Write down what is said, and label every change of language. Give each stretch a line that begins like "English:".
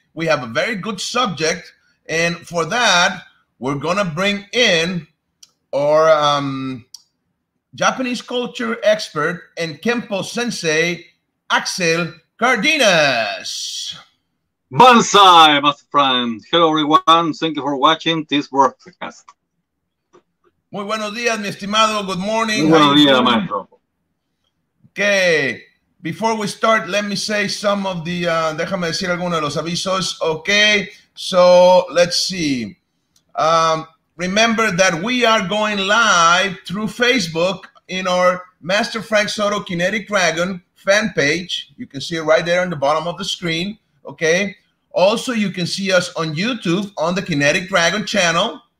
English: We have a very good subject. And for that, we're going to bring in our Japanese culture expert and Kenpo sensei, Axel Cardenas. Bonsai, my friend. Hello, everyone. Thank you for watching this broadcast.
Spanish: Muy buenos días, mi estimado.
English: Good morning.
Spanish: Muy buenos días, maestro.
English: Okay. Before we start, let me say some of the,
Spanish: déjame decir algunos de los avisos.
English: Okay. So, let's see. Remember that we are going live through Facebook in our Master Frank Soto Kinetic Dragon fan page. You can see it right there in the bottom of the screen. Okay. Also, you can see us on YouTube on the Kinetic Dragon channel.